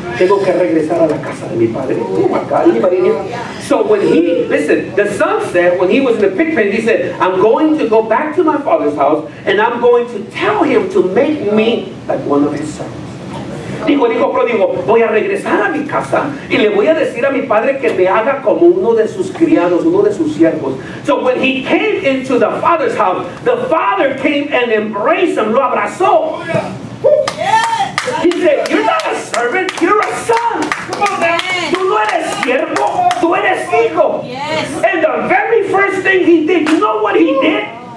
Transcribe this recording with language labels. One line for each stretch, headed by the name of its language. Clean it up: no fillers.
Spanish: Tengo que regresar a la casa de mi padre.
English: So when he, listen, the son said, when he was in the pig pen, he said, I'm going to go back to my father's house and I'm going to tell him to make me like one of his sons.
Spanish: Dijo el hijo pródigo, voy a regresar a mi casa y le voy a decir a mi padre que me haga como uno de sus criados, uno de sus siervos.
English: So when he came into the father's house, the father came and embraced him,
Spanish: lo abrazó.
English: He said, you're not a servant, you're a son. Come on, man.
Spanish: Tú no eres siervo, tú eres hijo.
English: Yes. And the very first thing he did, you know what he did?